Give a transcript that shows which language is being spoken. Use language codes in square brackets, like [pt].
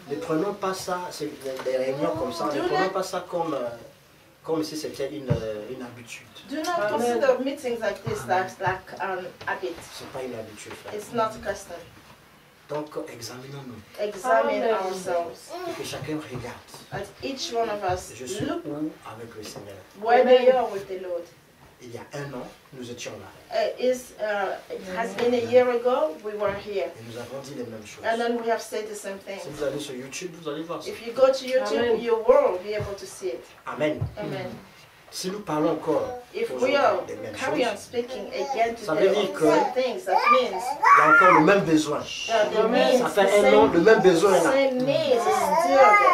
[fr] Ne prenons pas ça, des réunions comme ça, comme si c'était une habitude. [en] Do not consider meetings like this like an habit. [fr] C'est pas une habitude. Frère. [en] It's not a custom. [fr] Donc examinons-nous. [en] Examine ourselves. [fr] Et que chacun regarde. [en] At each one of us. [fr] Je suis [en] look [fr] où avec le Seigneur. [en] Where Amen. They are with the Lord. [fr] Il y a un an, nous étions là. [en] It has been a year ago we were here. [fr] Et nous avons dit les mêmes choses. [en] And then we have said the same thing. [fr] Si vous allez sur YouTube, vous allez voir. [en] If you go to YouTube, Amen. You will be able to see it. [fr] Amen. [en] Amen. [fr] Si nous parlons encore [en] if we are carry on speaking again today, [fr] ça veut dire que il y a encore le même besoin. Ça fait un an, le même besoin est là.